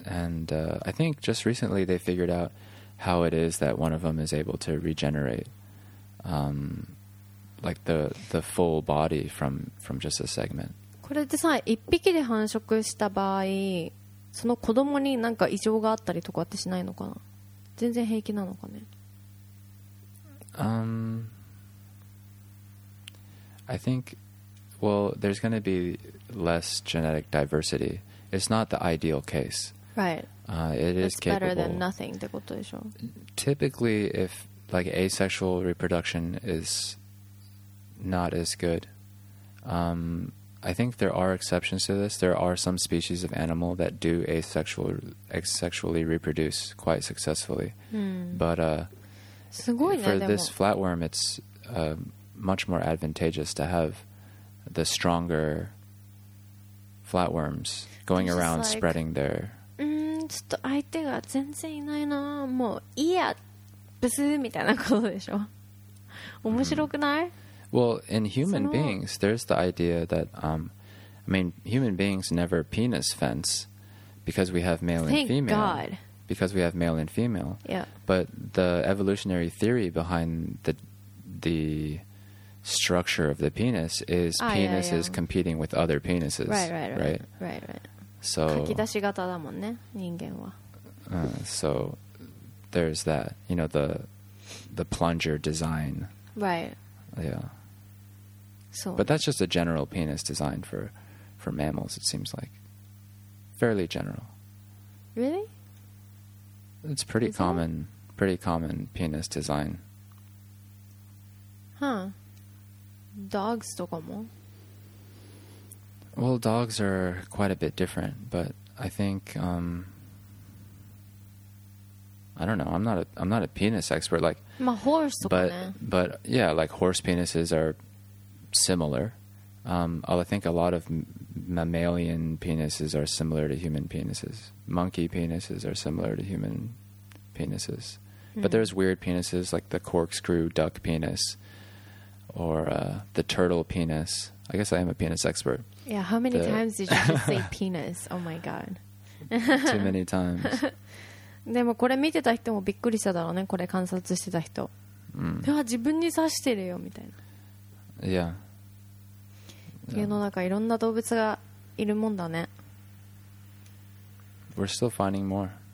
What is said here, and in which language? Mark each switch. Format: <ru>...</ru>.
<en>And I think just recently they figured out how it is that one of them is able to regenerate, like the full body from just a segment.</en> <ja>これってさ、一匹で繁殖した場合、その子供になんか異常があったりとかってしないのかな？全然平気なのかね？</ja> <en>I think, well, there's going to be less genetic diversity. It's not the ideal case. Right. It is capable. It's better than nothing</en> <ja>ってことでしょ？</ja> <en>Typically, if like asexual reproduction is not as good, I think there are exceptions to this. There are some species of animal that do asexually reproduce quite successfully. Mm. But</en> <ja>すごいね、</ja> <en>for this flatworm, it's much more advantageous to have the stronger flatworms going around like, spreading their...</en> <ja>ちょっと相手が全然いないな。もういいや、ブスみたいなことでしょ。面白くない？Mm.</ja> <en>Well, in human beings, there's the idea that, I mean, human beings never penis fence because we have male Thank and female. Thank God. Because we have male and female. Yeah. But the evolutionary theory behind the structure of the penis is penises yeah, yeah. competing with other penises. Right. So,</en> <ja>書き出し型だもんね、人間は。</ja> <en>So there's that, you know, the plunger design. Right. Yeah. So, but that's just a general penis design for mammals, it seems like. Fairly general. Really? It's pretty common, pretty common penis design. Huh. Dogs</en> <ja>とかも?</ja> <en>Well, dogs are quite a bit different, but I think, I don't know. I'm not a penis expert. Like,</en> <ja>まあ、horse とかね。</ja> <en>But yeah, like horse penises are similar. I think a lot of mammalian penises are similar to human penises. Monkey penises are similar to human penises. Mm. But there's weird penises like the corkscrew duck penis or the turtle penis. I guess I am a penis expert. Yeah. How many times did you just say penis? Oh my god. Too many times.</en> <ja>でもこれ見てた人もびっくりしただろうね。これ観察してた人、うん、自分に刺してるよみたいな。いや、世の中いろんな動物がいるもんだね。</ja> <en>We're still finding more.</en>